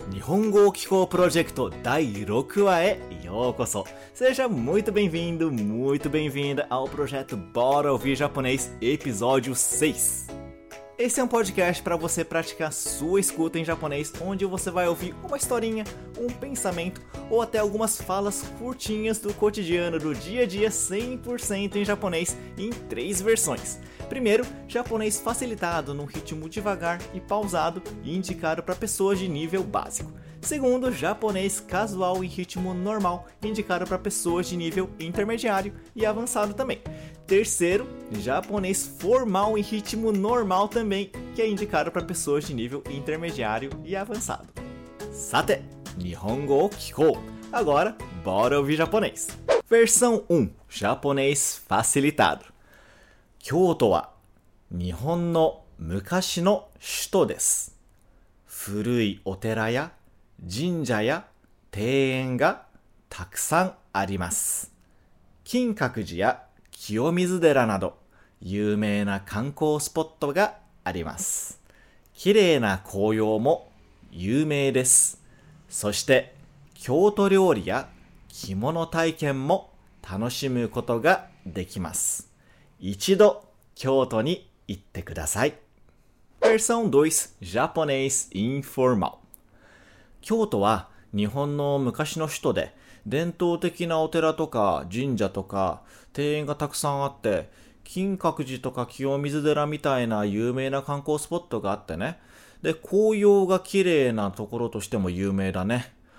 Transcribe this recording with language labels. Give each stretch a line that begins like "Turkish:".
Japanese: 日本語を聞こうプロジェクト第6話へようこそ。
Portuguese: Seja muito bem-vindo, muito bem-vinda ao projeto Bora Ouvir Japonês, episódio 6. Esse é um podcast para você praticar sua escuta em japonês, onde você vai ouvir uma historinha, um pensamento ou até algumas falas curtinhas do cotidiano, do dia a dia 100% em japonês, em 3 versões. Primeiro, japonês facilitado, num ritmo devagar e pausado, indicado para pessoas de nível básico. Segundo, japonês casual e ritmo normal, indicado para pessoas de nível intermediário e avançado também. Terceiro, japonês formal e ritmo normal também, que é indicado para pessoas de nível intermediário e avançado.
Japanese: Sate, Nihongo o Kikou!
Portuguese: Agora, bora ouvir japonês! Versão 1, japonês facilitado.
Japanese: 京都は日本の昔の首都です。古いお寺や神社や庭園がたくさんあります。金閣寺や清水寺など有名な観光スポットがあります。綺麗な紅葉も有名です。そして京都料理や着物体験も楽しむことができます。一度京都に行ってください。
Portuguese: Versão 2, japonês informal.
Japanese: 京都は日本の昔の首都で、伝統的なお寺とか神社とか庭園がたくさんあって、金閣寺とか清水寺みたいな有名な観光スポットがあってね。で、紅葉が綺麗なところとしても有名だね。